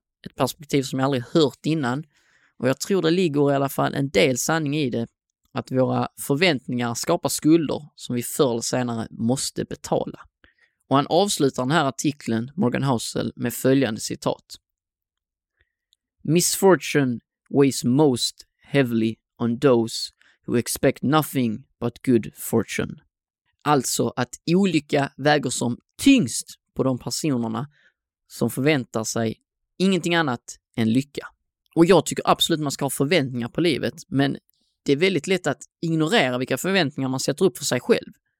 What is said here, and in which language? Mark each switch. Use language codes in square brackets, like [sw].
[sv] Ett perspektiv som jag aldrig hört innan. Och jag tror det ligger i alla fall en del sanning i det. Att våra förväntningar skapar skulder som vi förr eller senare måste betala. Och han avslutar den här artikeln, Morgan Housel, med följande citat. [en] Misfortune weighs most heavily on those who expect nothing but good fortune. [sv] Alltså att olycka väger som tyngst på de personerna som förväntar sig ingenting annat än lycka. Och jag tycker absolut man ska ha förväntningar på livet, men det är väldigt lätt att ignorera vilka förväntningar man sätter upp för sig själv.